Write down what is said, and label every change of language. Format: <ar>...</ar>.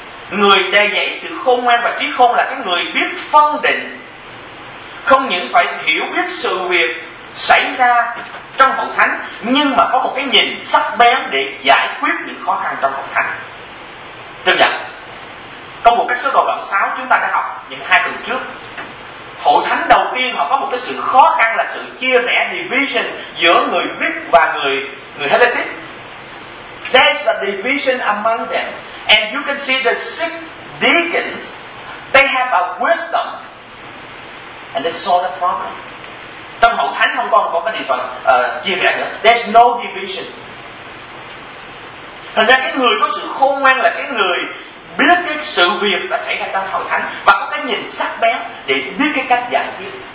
<vi>Người đầy dạy sự khôn ngoan và trí khôn là cái người biết phân định, không những phải hiểu biết sự việc xảy ra trong hội thánh, nhưng mà có một cái nhìn sắc bén để giải quyết những khó khăn trong hội thánh. Trong dạng, trong một cái sứ đồ đoạn 6 chúng ta đã học những hai tuần trước, hội thánh đầu tiên họ có một cái sự khó khăn là sự chia rẽ, division giữa người Greek và người Hellenic.</vi> <en>There's a division among them. And you can see the six deacons, they have a wisdom, and they solve the problem.</en> <vi>Trong hậu thánh không còn có cái điều phần chia rẽ nữa.</vi> <en>There's no division.</en> <vi>Thành ra cái người có sự khôn ngoan là cái người biết cái sự việc đã xảy ra trong hậu thánh và có cái nhìn sắc bén để biết cái cách giải quyết.</vi>